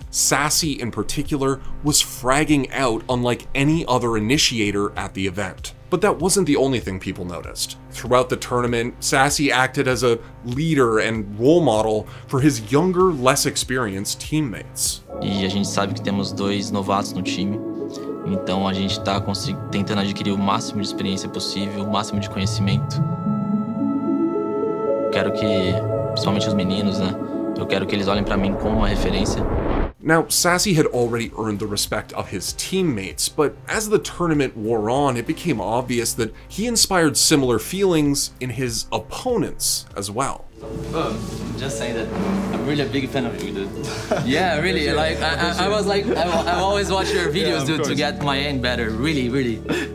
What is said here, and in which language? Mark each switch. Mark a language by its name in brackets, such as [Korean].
[English] Sacy, in particular, was fragging out unlike any other initiator at the event. But that wasn't the only thing people noticed. Throughout the tournament, Sacy acted as a leader and role model for his younger, less experienced teammates. [Portuguese] E a gente sabe que temos dois novatos no time. Então a gente tá tentando adquirir o máximo de experiência possível, o máximo de conhecimento. Quero que, principalmente os meninos, né? Eu quero que eles olhem para mim como uma referência. [English] Now, Sacy had already earned the respect of his teammates, but as the tournament wore on, it became obvious that he inspired similar feelings in his opponents as well. Just saying that I'm really a big fan of you, dude. Yeah, really. Like, I've always watched your videos, yeah, dude, course. To get my aim better. Really, really. Yeah.